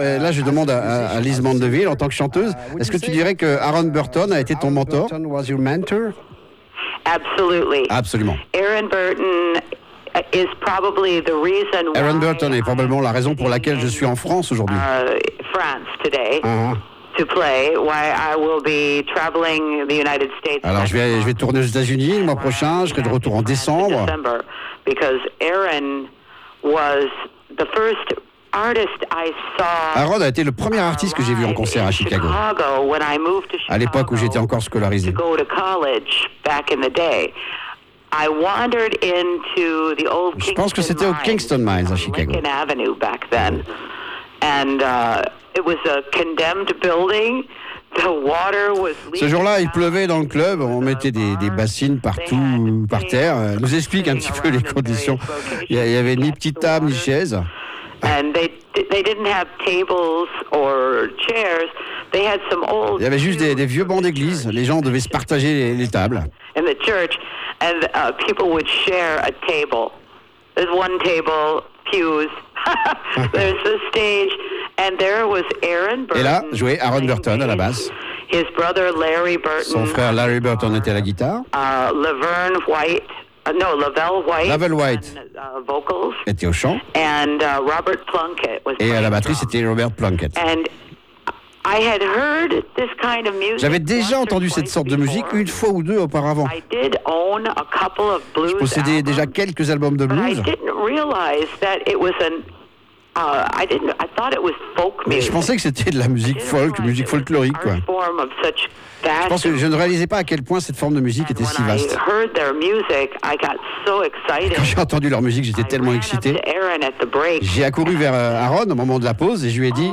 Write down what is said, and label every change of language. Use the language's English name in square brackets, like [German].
[French] Et là, je demande à Liz Mandeville, en tant que chanteuse, est-ce que tu dirais que Aaron Burton a été ton mentor? [English] Aaron Burton was your mentor? Absolutely. [French] Absolument. [English] Aaron Burton. Is probably the reason why [French] Aaron Burton est probablement la raison pour laquelle je suis en France aujourd'hui. [English] France today. To play, why I will be traveling the United States. [French] Alors je vais tourner aux États-Unis le mois prochain. Je serai de retour en décembre. [English] Because Aaron was the first artist I saw. [French] Aaron a été le premier artiste que j'ai vu en concert à Chicago. [English] When I moved to Chicago. [French] À l'époque où j'étais encore scolarisé. [English] To go to college back in the day. I wandered into the old [French] Kingston Mines. Je pense que c'était au Kingston Mines à Chicago. [English] Lincoln Avenue back then. And it was a condemned building. The water was leaking. [French] Ce jour-là, il pleuvait dans le club, on mettait des bassines partout par terre. Elle nous explique un petit peu les conditions. Il y avait ni petite table ni chaise. [English] And they didn't have tables or chairs. They had some old. [French] Il y avait juste des vieux bancs d'église, les gens devaient se partager les tables. [English] In the church. And people would share a table. There's one table, pews. There's the stage, and there was Aaron Burton. [French] Et là, jouait Aaron Burton à la basse. [English] His brother Larry Burton. [French] Son frère Larry Burton était à la guitare. [English] Laverne White, Lavelle White. Lavelle White. Vocals. [French] Était au chant. [English] And Robert Plunkett was. [French] Et à la batterie, c'était Robert Plunkett. [English] And I had heard this kind of music. [French] J'avais déjà entendu cette sorte de musique une fois ou deux auparavant. [English] I did own a couple of blues. [French] Je possédais déjà quelques albums de blues. [English] But I didn't realize that it was an I didn't I thought it was folk music. [French] Je pensais que c'était de la musique folk, musique folklorique quoi. [English] Form of such vast. [French] Je pense que je ne réalisais pas à quel point cette forme de musique était si vaste. [English] When I heard their music, I got so excited. [French] Quand j'ai entendu leur musique, j'étais tellement excité. J'ai accouru vers Aaron au moment de la pause et je lui ai dit: